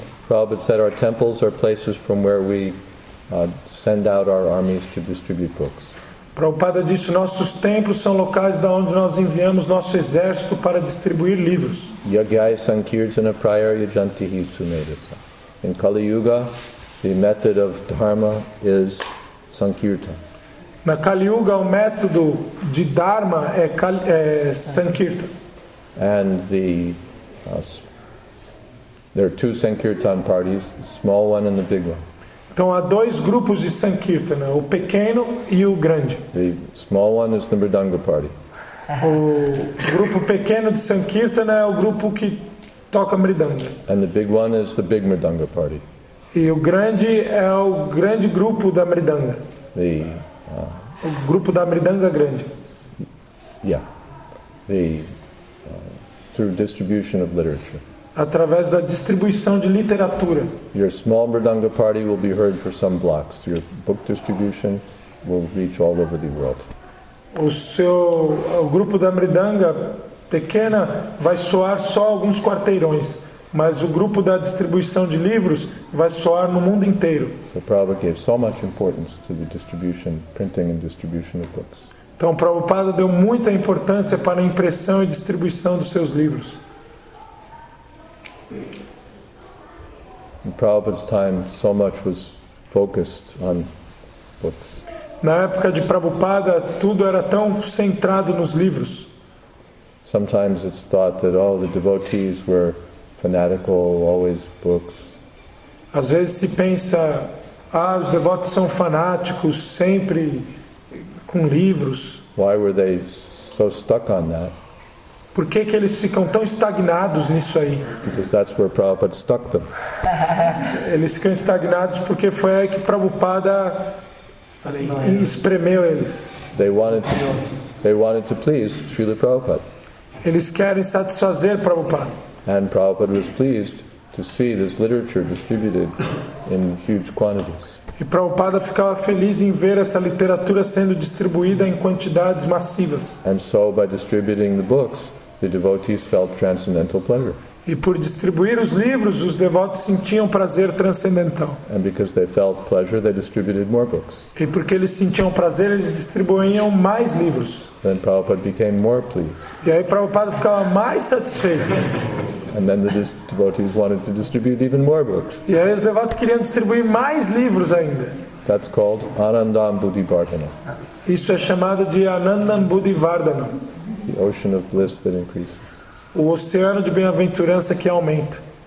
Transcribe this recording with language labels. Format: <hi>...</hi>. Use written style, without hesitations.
<en>Prabhupada said our temples are places from where we send out our armies to distribute books.</en> <pt>Prabhupada disse nossos templos são locais da onde nós enviamos nosso exército para distribuir livros.</pt> <sa>Yagyai sankirtana prayer yajantihi sumedasa.</sa> <en>In Kali Yuga, the method of dharma is sankirtan.</en> <pt>Na Kali Yuga, o método de dharma é sankirtan.</pt> <en>And the there are two sankirtan parties, the small one and the big one.</en> <pt>Então há dois grupos de sankirtana, o pequeno e o grande.</pt> <en>The small one is the mridanga party.</en> <pt>O grupo pequeno de sankirtana é o grupo que toca mridanga.</pt> <en>And the big one is the big mridanga party.</en> <pt>E o grande é o grande grupo da mridanga.</pt> <en>The,</en> <pt>o grupo da mridanga grande.</pt> <en>Yeah. The, through distribution of literature.</en> <pt>Através da distribuição de literatura.</pt> <en>Your small mridanga party will be heard for some blocks. Your book distribution will reach all over the world.</en> <pt>O seu o grupo da mridanga pequena vai soar só alguns quarteirões. Mas o grupo da distribuição de livros vai soar no mundo inteiro.</pt> <en>So Prabhupada gave so much importance to the distribution, printing and distribution of books.</en> <pt>Então Prabhupada deu muita importância para a impressão e distribuição dos seus livros.</pt> <en>In Prabhupada's time, so much was focused on books.</en> <pt>Na época de Prabhupada, tudo era tão centrado nos livros.</pt> <en>Sometimes it's thought that all the devotees were fanatical, always books.</en> <pt>Às vezes se pensa, os devotos são fanáticos, sempre com livros.</pt> <en>Why were they so stuck on that?</en> <pt>Por que que eles ficam tão estagnados nisso aí?</pt> <en>Because that's where Prabhupada stuck them.</en> <pt>Eles ficam estagnados porque foi aí que Prabhupada espremeu eles.</pt> <en>They wanted to please Srila Prabhupada.</en> <pt>Eles querem satisfazer Prabhupada.</pt> <en>And Prabhupada was pleased to see this literature distributed in huge quantities.</en> <pt>E Prabhupada ficava feliz em ver essa literatura sendo distribuída em quantidades massivas.</pt> <en>And so by distributing the books, the devotees felt transcendental pleasure.</en> <pt>E por distribuir os livros, os devotos sentiam prazer transcendental.</pt> <en>And because they felt pleasure, they distributed more books.</en> <pt>E porque eles sentiam prazer, eles distribuíam mais livros.</pt> <en>Then Prabhupada became more pleased.</en> <pt>E aí Prabhupada ficava mais satisfeito.</pt> <en>And then the devotees wanted to distribute even more books.</en> <pt>E aí os devotos queriam distribuir mais livros ainda.</pt> <en>That's called Anandambuddhi Vardhana.</en> <pt>Isso é chamado de Anandambuddhi Vardhana.</pt> <en>The ocean of bliss that increases.</en> <pt>O oceano de bem-aventurança que aumenta.</pt>